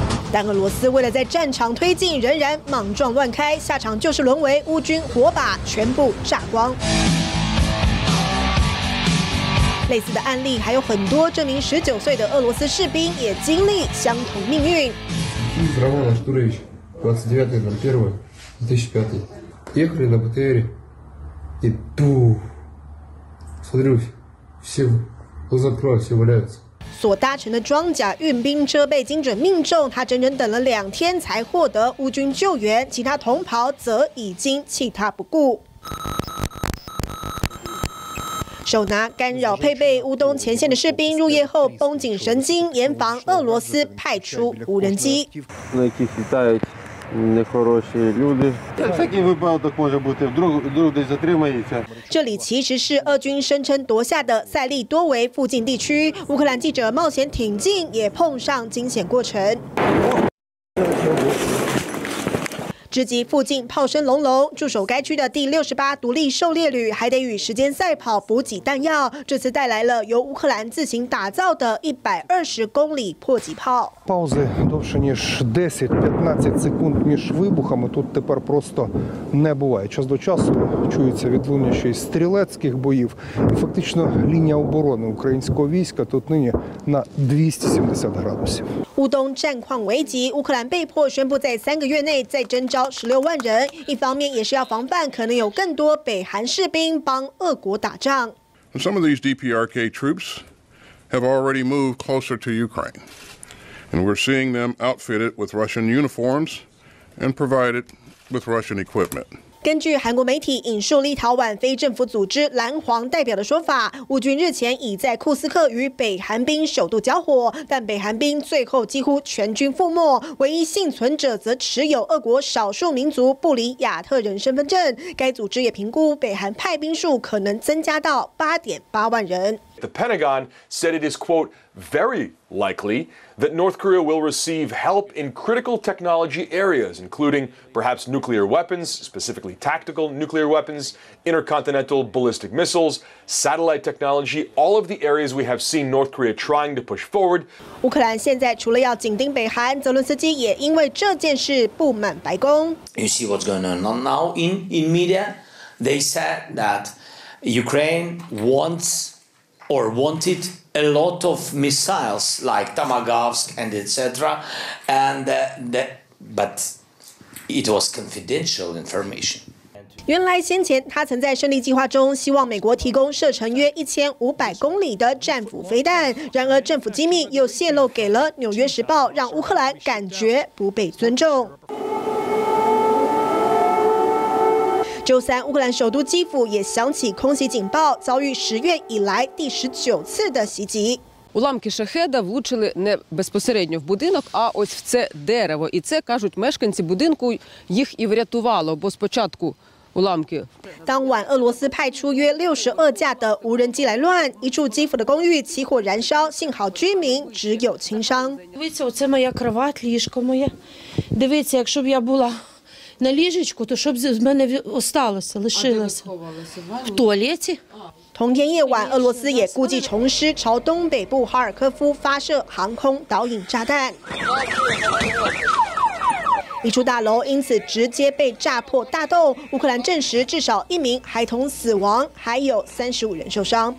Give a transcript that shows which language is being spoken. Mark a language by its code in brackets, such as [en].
[zh] 但俄罗斯为了在战场推进，仍然莽撞乱开，下场就是沦为乌军火把全部炸光。类似的案例还有很多，这名19岁的俄罗斯士兵也经历相同命运。 [ru] Равон Артурович, 29.01.2005, ехали на БТРе, и дух, смотрю, все, глаза открываю, все валяются. [zh] 所搭乘的装甲运兵车被精准命中，他整整等了两天才获得乌军救援，其他同袍则已经弃他不顾。手拿干扰配备乌东前线的士兵入夜后绷紧神经，严防俄罗斯派出无人机。这里其实是俄军声称夺下的塞利多维附近地区，乌克兰记者冒险挺进，也碰上惊险过程。直击附近炮声隆隆，驻守该区的第68独立狩猎旅还得与时间赛跑补给弹药，这次带来了由乌克兰自行打造的120公里迫击炮。 [uk] Паузы довше ніж 10-15 секунд між вибухами тут тепер просто не буває. Час до часу чується відлуння ще й стрілецьких боїв. І фактично лінія оборони українського війська тут нині на 270 градусів. [zh] 乌东战况危急，乌克兰被迫宣布在三个月内再征召160,000人，一方面也是要防范可能有更多北韩士兵帮俄国打仗。 [en] Some of these DPRK troops have already moved closer to Ukraine. And we're seeing them outfitted with Russian uniforms and provided with Russian equipment. [zh] 根据韩国媒体引述立陶宛非政府组织蓝黄代表的说法，乌军日前已在库斯克与北韩兵首度交火，但北韩兵最后几乎全军覆没，唯一幸存者则持有俄国少数民族布里亚特人身份证。该组织也评估北韩派兵数可能增加到8.8万人。 [en] The Pentagon said it is, quote, very likely that North Korea will receive help in critical technology areas, including perhaps nuclear weapons, specifically tactical nuclear weapons, intercontinental ballistic missiles, satellite technology, all of the areas we have seen North Korea trying to push forward. [zh] 乌克兰现在除了要紧盯北韩，泽伦斯基也因为这件事不满白宫。 [en] You see what's going on now in media? They said that Ukraine wants... or wanted a lot of missiles like Tomahawk and etc. And but it was confidential information. [zh] 原来先前他曾在胜利计划中希望美国提供射程约1500公里的战斧飞弹，然而政府机密又泄露给了《纽约时报》，让乌克兰感觉不被尊重。周三，乌克兰首都基辅也响起空袭警报，遭遇十月以来第19次的袭击。 [uk] Уламки шахеда влучили не безпосередньо в будинок, а ось в це дерево. І це, кажуть, мешканці будинку їх і врятувало, бо спочатку уламки. [zh] 当晚，俄罗斯派出约62架的无人机来乱，一处基辅的公寓起火燃烧，幸好居民只有轻伤。 [uk] Дивіться, оце моя кровать, ліжко моє. Дивіться, якщо б я була. На ліжечку, то щоб з мене осталося, лишилося. В туалеті. [zh] 同天夜晚，俄罗斯也故技重施，朝东北部哈尔科夫发射航空导引炸弹。一处大楼因此直接被炸破大洞。乌克兰证实至少一名孩童死亡，还有35人受伤。